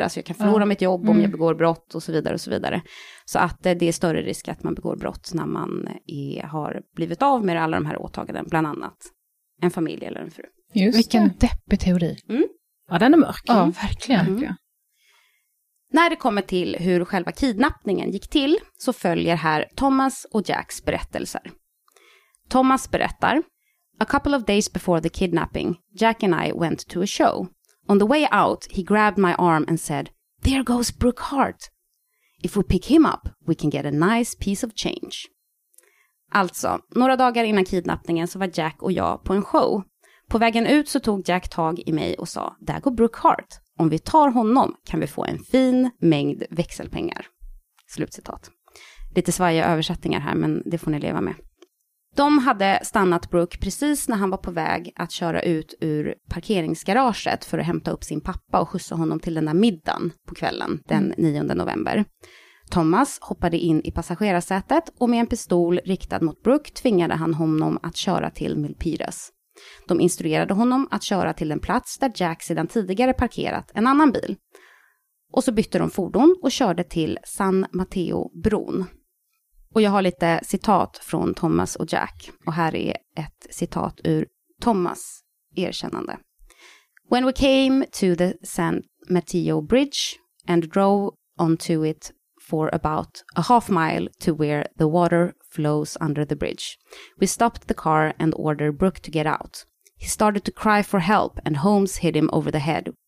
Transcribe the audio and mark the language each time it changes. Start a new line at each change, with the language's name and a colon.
Swedish: Alltså jag kan förlora mitt jobb om jag begår brott och så vidare och så vidare. Så att det är större risk att man begår brott när man har blivit av med alla de här åtaganden. Bland annat en familj eller en fru. Just vilken deppig teori. Mm? Ja, den är mörk. Ja, verkligen. Mm. När det kommer till hur själva kidnappningen gick till så följer här Thomas och Jacks berättelser. Thomas berättar:
English: A couple of days before the kidnapping, Jack and I went to a show. On the way out, he grabbed my arm and said, "There goes Brooke Hart. If we pick him up, we can get a nice piece of change."
Swedish: Alltså, några dagar innan kidnappningen så var Jack och jag på en show. På vägen ut så tog Jack tag i mig och sa, "Där går Brooke Hart. Om vi tar honom kan vi få en fin mängd växelpengar." Slutcitat. Lite svajiga översättningar här, men det får ni leva med. De hade stannat Brooke precis när han var på väg att köra ut ur parkeringsgaraget för att hämta upp sin pappa och skjutsa honom till den där middagen på kvällen den 9 november. Thomas hoppade in i passagerarsätet och med en pistol riktad mot Brooke tvingade han honom att köra till Milpitas. De instruerade honom att köra till den plats där Jack sedan tidigare parkerat en annan bil. Och så bytte de fordon och körde till San Mateo-bron. Och jag har lite citat från Thomas och Jack. Och här är ett citat ur Thomas erkännande.
English: When we came to the San Mateo Bridge and drove onto it for about a half mile to where the water flows under the bridge, we stopped the car and ordered Brooke to get out. He started to cry for help and Holmes hit him over the head